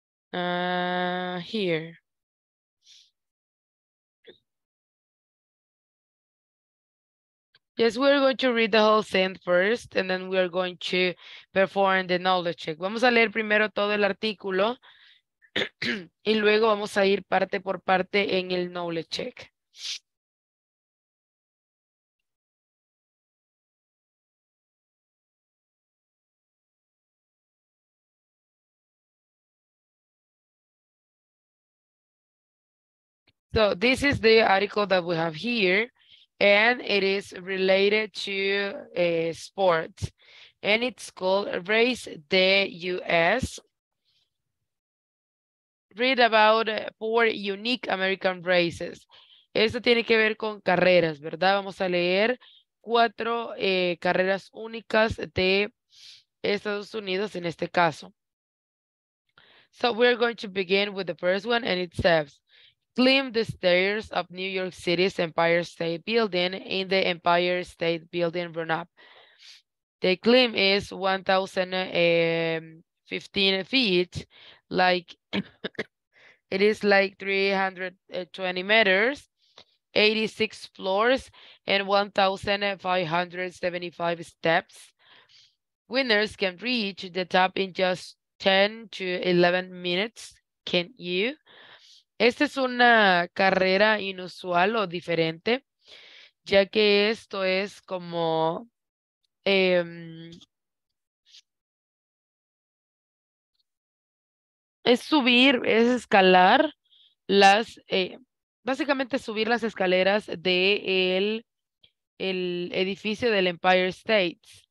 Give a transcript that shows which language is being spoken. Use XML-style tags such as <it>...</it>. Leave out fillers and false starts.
<en>Uh here. Yes, we're going to read the whole thing first and then we're going to perform the knowledge check.</en> <es>Vamos a leer primero todo el artículo y luego vamos a ir parte por parte en el knowledge check.</es> <en>So this is the article that we have here, and it is related to sports, and it's called Race the U.S. Read about four unique American races.</en> <es>Esto tiene que ver con carreras, ¿verdad? Vamos a leer cuatro carreras únicas de Estados Unidos en este caso.</es> <en>So we're going to begin with the first one, and it says, climb the stairs of New York City's Empire State Building in the Empire State Building run-up. The climb is 1,015 feet, like it is like 320 meters, 86 floors, and 1,575 steps. Winners can reach the top in just 10 to 11 minutes. Can you?</en> <es>Esta es una carrera inusual o diferente, ya que esto es como es subir, es escalar las básicamente subir las escaleras de el edificio del Empire State.</es>